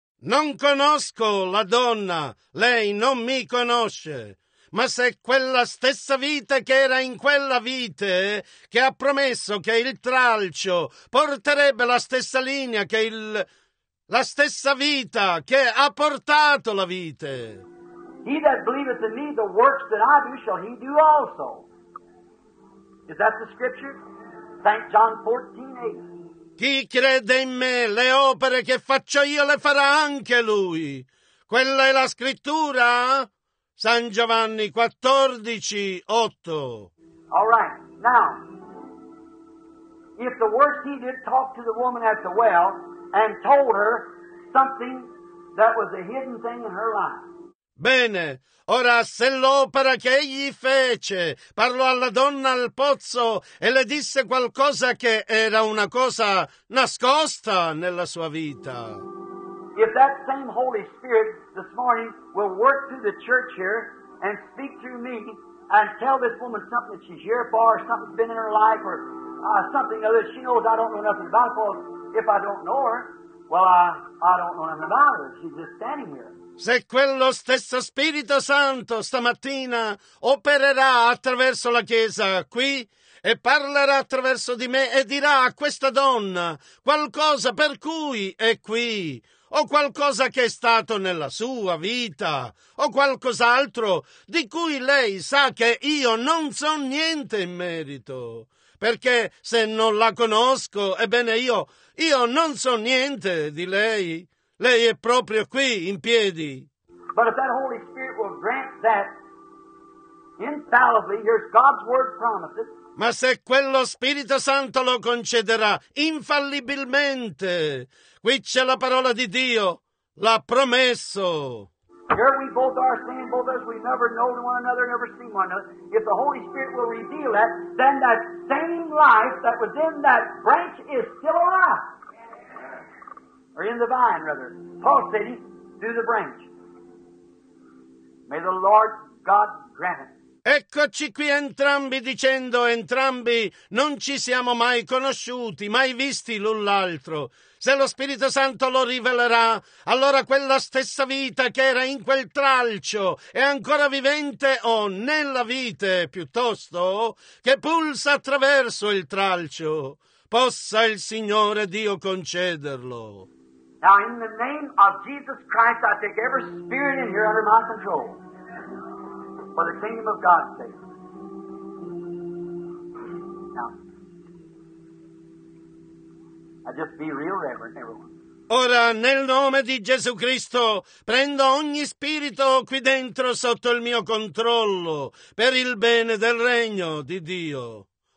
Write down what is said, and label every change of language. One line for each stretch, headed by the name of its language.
Italian: Non conosco la donna, lei non mi conosce. Ma se quella stessa vite che era in quella vite, che ha promesso che il tralcio porterebbe la stessa linea che il la stessa vita che ha portato la vite.
English: He that believeth in me, the works that I do, shall he do also. Is that the scripture? St. John 14:8.
Italian: Chi crede in me, le opere che faccio io le farà anche lui. Quella è la scrittura? San Giovanni 14:8.
English: All right. Now, if the works he did talk to the woman at the well and told her something that was a hidden thing in her life.
Italian: Bene, ora se l'opera che egli fece parlò alla donna al pozzo e le disse qualcosa che era una cosa nascosta nella sua vita.
English: If that same Holy Spirit this morning will work through the church here and speak through me and tell this woman something that she's here for, or something's been in her life, or something other she knows I don't know nothing about, because if I don't know her, well, I don't know nothing about her. She's just standing here.
Italian: Se quello stesso Spirito Santo stamattina opererà attraverso la Chiesa qui e parlerà attraverso di me e dirà a questa donna qualcosa per cui è qui o qualcosa che è stato nella sua vita o qualcos'altro di cui lei sa che io non so niente in merito. Perché se non la conosco, ebbene io non so niente di lei. Lei è proprio qui, in piedi.
English: But if that Holy Spirit will grant that infallibly, here's God's word promises.
Italian: Ma se quello Spirito Santo lo concederà infallibilmente, qui c'è la parola di Dio, l'ha promesso.
English: Here we both are saying, both as we never know one another, never seen one another. If the Holy Spirit will reveal that, then that same life that was in that branch is still alive. Or in the vine, rather. Paul said, through the branch. May the Lord God grant it.
Italian: Eccoci qui entrambi dicendo, entrambi non ci siamo mai conosciuti, mai visti l'un l'altro. Se lo Spirito Santo lo rivelerà, allora quella stessa vita che era in quel tralcio è ancora vivente o nella vite, piuttosto, che pulsa attraverso il tralcio. Possa il Signore Dio concederlo.
English: Now, in the name of Jesus Christ, I take every spirit in here under my control for the kingdom of God's sake. Now, just be real reverent, everyone.
Italian: Ora, nel nome di Gesù Cristo, prendo ogni spirito qui dentro sotto il mio controllo per il bene del regno di Dio.